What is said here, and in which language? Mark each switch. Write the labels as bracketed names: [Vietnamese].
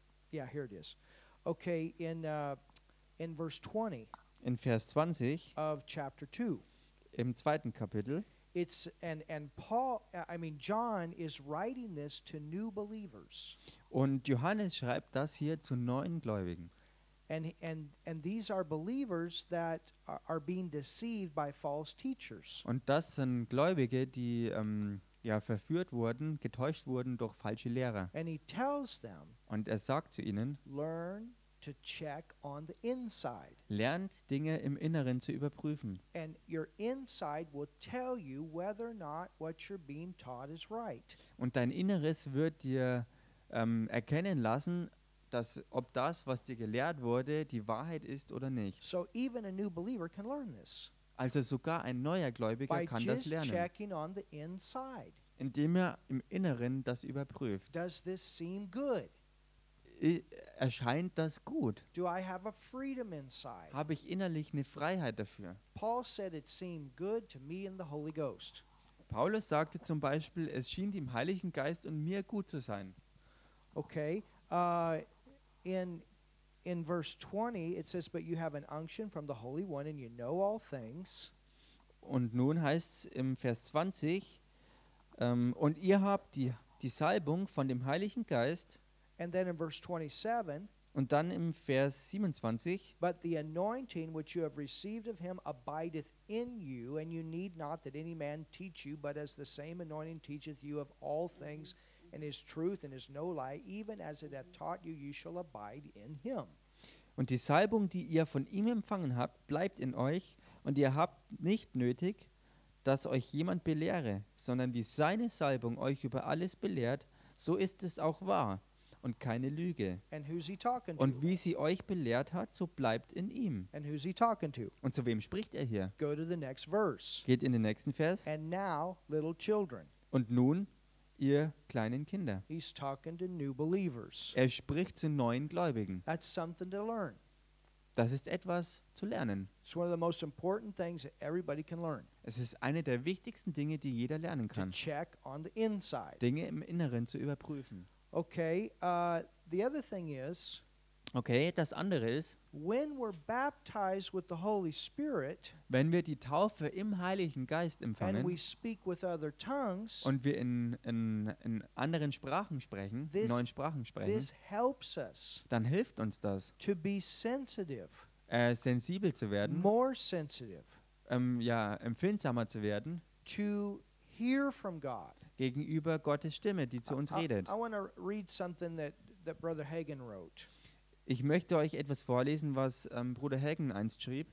[English] Yeah, here it is. Okay, in verse 20. [German] In Vers 20 [English] of chapter 2. [German] Im zweiten Kapitel. [English] It's and Paul, I mean John is writing this to new believers. [German] Und Johannes schreibt das hier zu neuen Gläubigen. [English] And these are believers that are being deceived by false teachers. [German] Und das sind Gläubige, die verführt wurden, getäuscht wurden durch falsche Lehrer. [English] And he tells them. [German] Und er sagt zu ihnen. [English] Learn to check on the inside. [German] Lernt Dinge im Inneren zu überprüfen. [English] And your inside will tell you whether or not what you're being taught is right. [German] Und dein Inneres wird dir erkennen lassen, dass ob das, was dir gelehrt wurde, die Wahrheit ist oder nicht. [English] So even a new believer can learn this. [German] Also sogar ein neuer Gläubiger [English] by [German] kann das lernen. [English] Checking on the inside. [German] Indem er im Inneren das überprüft. [English] Does this seem good? [German] Erscheint das gut? [English] Do I have a freedom inside? [German] Habe ich innerlich eine Freiheit dafür? [English] Paul said it seemed good to me in the Holy Ghost. [German] Paulus sagte zum Beispiel, es schien dem Heiligen Geist und mir gut zu sein. [English] Okay, in verse 20 it says, but you have an unction from the Holy One and you know all things. [German] Und nun heißt es im Vers 20, und ihr habt die Salbung von dem Heiligen Geist. [English] And then in verse 27, [German] und dann im Vers 27, [English] but the anointing which you have received of him abideth in you, and you need not that any man teach you, but as the same anointing teacheth you of all things, and is truth, and is no lie, even as it hath taught you, you shall abide in him. [German] Und die Salbung, die ihr von ihm empfangen habt, bleibt in euch, und ihr habt nicht nötig, dass euch jemand belehre, sondern wie seine Salbung euch über alles belehrt, so ist es auch wahr und keine Lüge. Und wie sie euch belehrt hat, so bleibt in ihm. Und zu wem spricht er hier? Geht in den nächsten Vers. [English] And now, little children. [German] Und nun, ihr kleinen Kinder. [English] He's talking to new believers. [German] Er spricht zu neuen Gläubigen. [English] That's something to learn. [German] Das ist etwas zu lernen. [English] It's one of the most important things that everybody can learn. [German] Es ist eine der wichtigsten Dinge, die jeder lernen kann. [English] To check on the inside. [German] Dinge im Inneren zu überprüfen. [English] Okay, the other thing is, [German] okay, das andere ist, [English] when we're baptized with the Holy Spirit, [German] wenn wir die Taufe im Heiligen Geist empfangen, [English] and we speak with other tongues, [German] und wir in anderen Sprachen sprechen, [English] this, [German] neuen Sprachen sprechen, [English] this helps us, [German] dann hilft uns das, [English] to be sensitive, [German] sensibel zu werden, [English] more sensitive, [German] empfindsamer zu werden, [English] to hear from God. [German] Gegenüber Gottes Stimme, die zu uns redet. [English] I want to read something that Brother Hagen wrote. [German] Ich möchte euch etwas vorlesen, was Bruder Hagen einst schrieb.